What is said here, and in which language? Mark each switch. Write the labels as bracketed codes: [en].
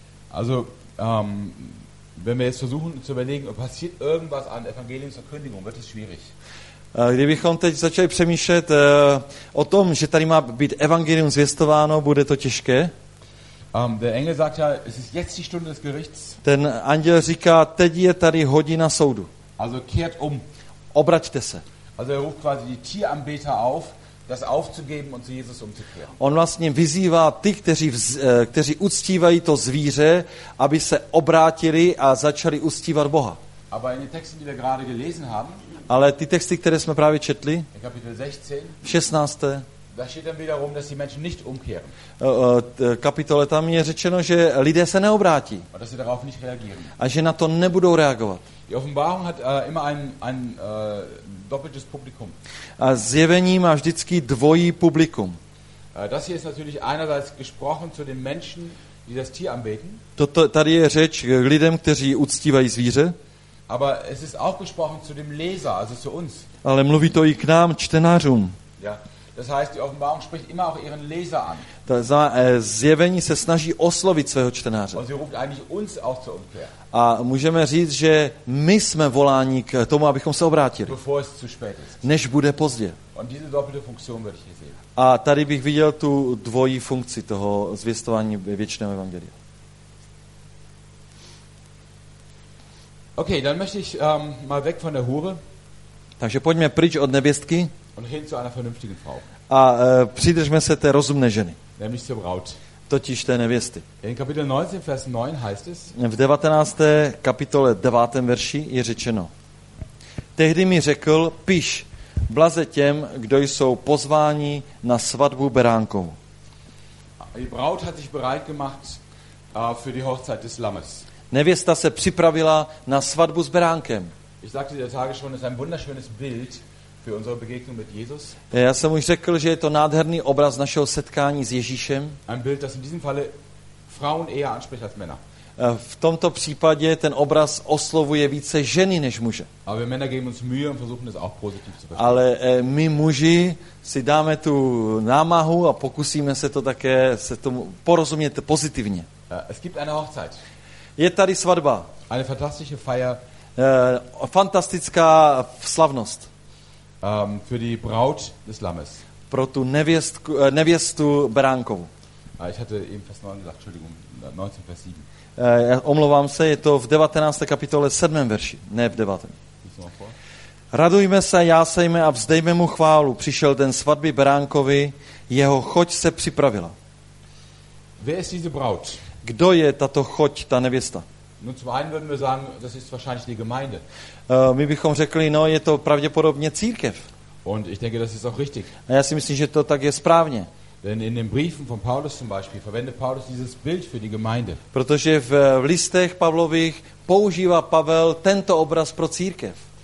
[de] Also wenn wir jetzt versuchen zu überlegen, passiert irgendwas an Evangeliumsverkündigung, wird es schwierig. [cs] Kdybychom teď začali přemýšlet o tom, že tady má být evangelium zvěstováno, bude to těžké. [de] Der Engel sagt ja, es ist jetzt die Stunde des Gerichts. [cs] Ten anděl říká, teď je tady hodina soudu. [de] Also kehrt um. [cs] Obraťte se. [de] Also er ruft quasi die Tieranbeter auf, das aufzugeben und zu Jesus umzukehren. [cs] On vlastně vyzývá ty, kteří uctívají to zvíře, aby se obrátili a začali uctívat Boha. [de] Aber in den Texten, die wir gerade gelesen haben, [cs] ale ty texty, které jsme právě četli, [de] in Kapitel 16, [cs] v 16. [de] Da steht dann wiederum, dass die Menschen nicht umkehren. [cs] Kapitole tam je řečeno, že lidé se neobrátí. [de] A dass sie darauf nicht reagieren. [cs] A že na to nebudou reagovat. [de] Die Offenbarung hat immer ein doppeltes Publikum. [cs] A zjevení má vždycky dvojí publikum. [de] Das hier ist natürlich einerseits gesprochen zu den Menschen, die das Tier anbeten. [cs] Toto, tady je řeč k lidem, kteří uctívají zvíře. [de] Aber es ist auch gesprochen zu dem Leser, also zu uns. [cs] Ale mluví to i k nám, čtenářům. [de] Ja. Das heißt, die Offenbarung spricht immer auch ihren Leser an. [cs] Zjevení se snaží oslovit svého čtenáře. [de] Und sie ruft eigentlich uns auch zur Umkehr. [cs] A můžeme říct, že my jsme voláni k tomu, abychom se obrátili. [de] Bevor es zu spät ist. [cs] Než bude pozdě. [de] Und diese doppelte Funktion würde ich hier sehen. [cs] A tady bych viděl tu dvojí funkci toho zvěstování věčného evangelia. [de] Okay, dann möchte ich mal weg von der Hure. [cs] Takže pojďme pryč od nevěstky. [de] Und hin zu einer vernünftigen Frau. [cs] A přidržme se té rozumné ženy. [de] Nämlich zur Braut. [cs] Totiž té nevěsty. [de] In Kapitel 19, Vers 9 heißt es. [cs] V 19. kapitole 9. verši je řečeno. Tehdy mi řekl, piš, blaze těm, kdo jsou pozváni na svatbu Beránkovu. [de] Die Braut hat sich bereit gemacht für die Hochzeit des Lammes. [cs] Nevěsta se připravila na svatbu s Beránkem. [de] Ich sagte dir Tage schon, es ist ein wunderschönes Bild für unsere Begegnung mit Jesus. [cs] Já jsem už řekl, že je to nádherný obraz našeho setkání s Ježíšem. [de] Ein Bild, das in diesem Falle Frauen eher anspricht als Männer. [cs] V tomto případě ten obraz oslovuje více ženy než muže. [de] Aber wir Männer geben uns Mühe und versuchen das auch positiv zu verstehen. [cs] Ale my muži si dáme tu námahu a pokusíme se to také se tomu porozumět pozitivně. [de] Es gibt eine Hochzeit. [cs] Je tady svatba. [de] Eine fantastische Feier. [cs] Fantastická slavnost. [de] Für die Braut des Lammes. [cs] Pro tu nevěstu Beránkovu. [de] Ich hatte eben fast 9 gesagt, Entschuldigung, 19 Vers 7. [cs] Omlouvám se, je to v 19. kapitole 7. verši, ne v 9. Radujme se, jásejme a vzdejme mu chválu. Přišel den svatby Beránkovi, jeho choť se připravila. [de] Wer ist diese Braut? [cs] Kdo je tato choť, ta nevěsta? [de] Nun zum einen würden wir sagen, das ist wahrscheinlich die Gemeinde. [cs] My bychom řekli, no je to pravděpodobně církev. [de] Und ich denke, das ist auch richtig. [cs] A já si myslím, že to tak je správně. [de] Denn in den Briefen von Paulus zum Beispiel verwendet Paulus dieses Bild für die Gemeinde. [cs] Protože v listech Pavlových používá Pavel tento obraz pro církev.